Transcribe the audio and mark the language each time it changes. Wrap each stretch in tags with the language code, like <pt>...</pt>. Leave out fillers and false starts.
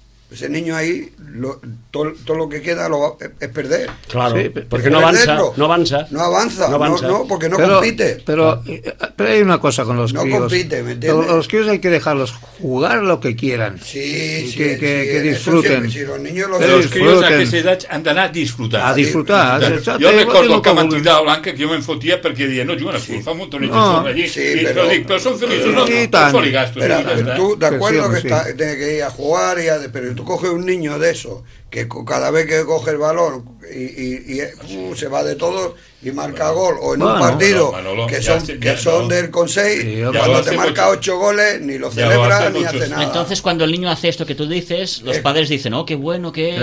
<es>ese niño ahí todo lo que queda lo va, es perder. Claro, sí, porque no avanza, porque no pero, compite. Pero hay una cosa con los críos. No compite, ¿me entiendes? Los críos hay que dejarlos jugar lo que quieran. Sí, sí, que disfruten. Sí, si los niños los pero disfruten. Los críos</es> <ca>a aquesta edat han d'anar a disfrutar. A disfrutar. Jo recordo que m'han dit a Blanca que jo me'n fotia perquè deia, no, Joan, sí. Fa un montón de gent allí. Però dic, però són feliços, no? I tant. Però tu, d'acord, que tens que ir a jugar i a...</ca> <es>Tú coges un niño de eso, que cada vez que coge el balón y se va de todo y marca gol, o en bueno, un partido Manolo, que son del Consell, cuando te marca 8 goles, ni lo celebra lo ni hace nada. Entonces, cuando el niño hace esto que tú dices, los padres dicen, oh, qué bueno que es.</es>